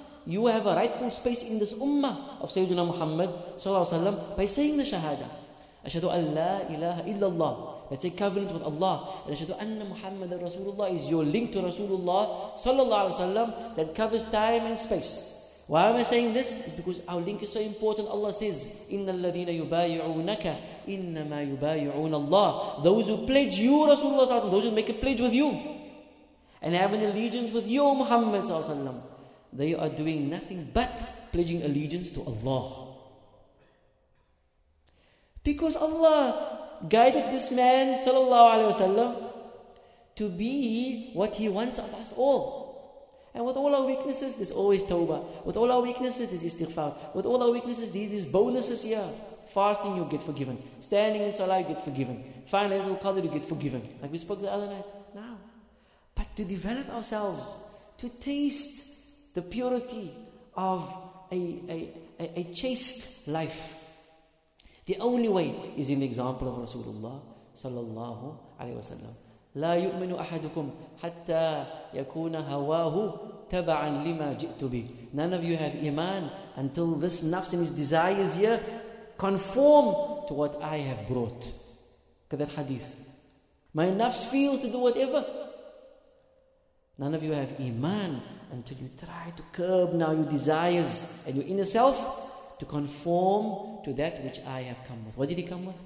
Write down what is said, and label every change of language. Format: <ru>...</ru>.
<en>You have a rightful space in this ummah of Sayyidina Muhammad ﷺ by saying the shahada.</en> <ar>Ashadu an la ilaha illallah.</ar> <en>That's a covenant with Allah. And</en> <ar>ashadu anna Muhammad Rasulullah</ar> <en>is your link to Rasulullah ﷺ that covers time and space. Why am I saying this? Because our link is so important. Allah says,</en> <ar>إِنَّ الَّذِينَ يُبَايِعُونَكَ إِنَّمَا يُبَايِعُونَ اللَّهِ.</ar> <en>Those who pledge you, Rasulullah SAW, those who make a pledge with you, and have an allegiance with you, Muhammad SAW, they are doing nothing but pledging allegiance to Allah. Because Allah guided this man, Sallallahu Alaihi Wasallam, to be what he wants of us all. And with all our weaknesses, there's always tawbah. With all our weaknesses, there's istighfar. With all our weaknesses, these bonuses here. Fasting, you get forgiven. Standing in salah, you get forgiven. Finally, little qadr, you get forgiven. Like we spoke the other night. Now. But to develop ourselves, to taste the purity of a chaste life. The only way is in the example of Rasulullah sallallahu alaihi wasallam.</en> <ar>لا يؤمن أحدكم حتى يكون هواه تبعا لما جئت به.</ar> <en>None of you have iman until this nafs and his desires here conform to what I have brought. Kadar hadith. My nafs feels to do whatever. None of you have iman until you try to curb now your desires and your inner self to conform to that which I have come with. What did he come with?</en>